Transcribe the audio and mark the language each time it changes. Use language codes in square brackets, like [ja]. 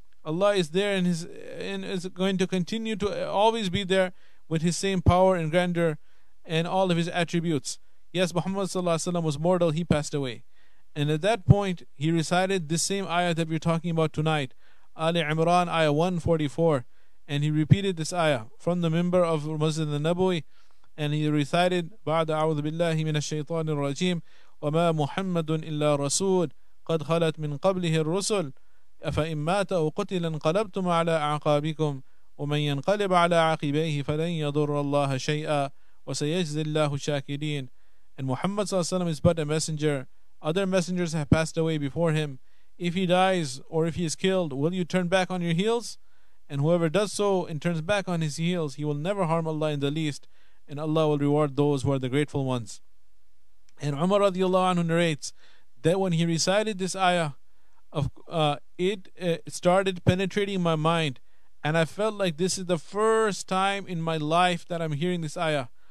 [en] Allah is there and is going to continue to always be there with his same power and grandeur and all of his attributes. Yes, Muhammad sallallahu alaihi wasallam was mortal, he passed away. And at that point, he recited this same ayah that we're talking about tonight, Ali Imran, ayah 144. And he repeated this ayah from the minbar of Masjid al-Nabawi. And he recited, [ar] بعد أعوذ بالله من الشيطان الرجيم وما محمد إلا رسول قد خلت من قبله الرسل أفإن مات أو قتل انقلبتم على أعقابكم ومن ينقلب على عقبيه فلن يضر الله شيئا وسيجزي الله الشاكرين. [en] And Muhammad [ar] صلى الله عليه وسلم [en] is but a messenger. Other messengers have passed away before him. If he dies or if he is killed, will you turn back on your heels? And whoever does so and turns back on his heels, he will never harm Allah in the least, and Allah will reward those who are the grateful ones. And Umar radiallahu anhu narrates that when he recited this ayah, it started penetrating my mind, and I felt like this is the first time in my life that I'm hearing this ayah.